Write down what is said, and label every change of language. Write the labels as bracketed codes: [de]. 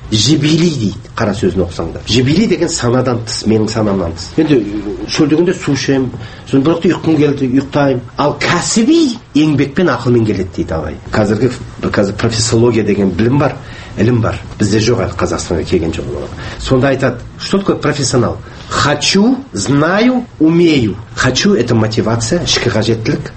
[kk] Жибили дейді, қара сөзін оқысаңдар. Жибили деген санадан тыс, менің санамнан тыс. Енді шөлдегінде су ішем, соны бірақ ұйқым келді, ұйықтайым. Ал кәсіби еңбекпен ақылмен келеді дейді Абай. Қазіргі қазір профессология деген білім бар, ілім бар. Бізде жоқ әлі, Қазақстанға келген жоқ ол. Сонда айтады, [ru] что такое профессионал? Хочу, знаю, умею. Хочу – это мотивация, [kk] ішкі қажеттілік.